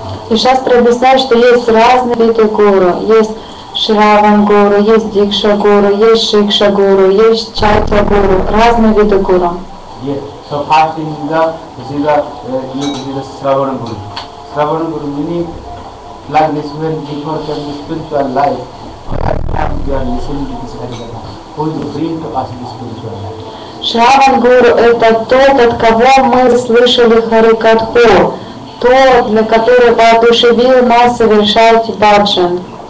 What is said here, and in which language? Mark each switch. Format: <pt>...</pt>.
<ru>И шастра объясняет, что есть разные виды гуру. Есть Шраван Гуру, есть Дикша Гуру, есть Шикша Гуру, есть Чатя Гуру, разные виды Гуру.</ru> <en>Yes. So first is the Шраван Гуру. Шраван Гуру meaning like this when before can be spiritual life, at times you are listening to this Харидаса, who is bring to us the spiritual life.</en> <ru>Шраван Гуру это тот, от кого мы слышали Харикатху, тот, для которого воодушевил нас совершать баджан.</ru>